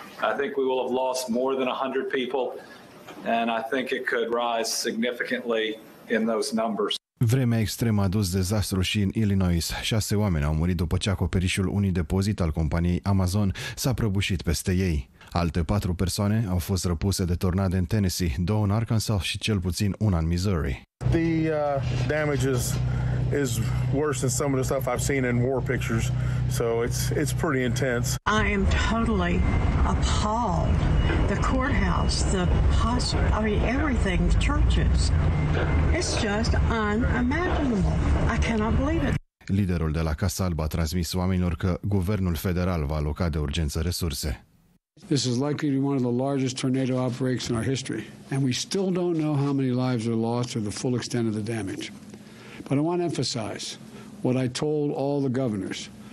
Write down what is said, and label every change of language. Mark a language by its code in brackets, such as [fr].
[en] I think we will have lost more than 100 people, and I think it could rise significantly in those numbers. [ro] Vremea extremă a dus dezastru și în Illinois. 6 oameni au murit după ce acoperișul unui depozit al companiei Amazon s-a prăbușit peste ei. Alte 4 persoane au fost răpuse de tornade în Tennessee, 2 în Arkansas și cel puțin una în Missouri. [en] The damages is worse than some of the stuff I've seen in war pictures. So it's pretty intense. I am totally appalled. The courthouse, the hospital, I mean, everything, the churches. It's just unimaginable. I cannot believe it. [ro] Liderul de la Casa Albă a transmis oamenilor că guvernul federal va aloca de urgență resurse. [en] This is likely to be one of the largest tornado outbreaks in our history, and we still don't know how many lives are lost or the full extent of the damage. But I want to emphasize what I told all the governors.